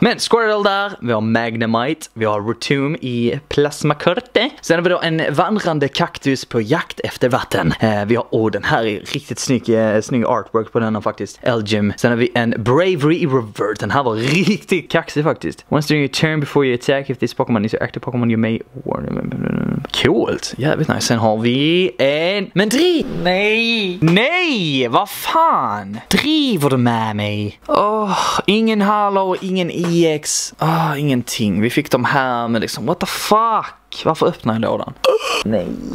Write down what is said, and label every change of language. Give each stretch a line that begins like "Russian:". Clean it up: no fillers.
Swedish: Men Squirtle där, vi har Magnemite. Vi har Rotom i Plasma Körte. Sen har vi då en vandrande kaktus på jakt efter vatten. Vi har, åh, den här är riktigt snygg artwork på denna faktiskt. Elgym. Sen har vi en Bravery i Revert. Den här var riktigt kaxig faktiskt.
English: Once during your turn before you attack, if this Pokémon is your active Pokémon, you may warn.
Swedish: Coolt, jävligt nice. Sen har vi en Mandrill. Nej. Nej. Hej, vad fan? Driver du med mig? Åh, ingen Halo, ingen EX. Åh, ingenting. Vi fick dem här med liksom, what the fuck? Varför öppnar jag lådan? Nej.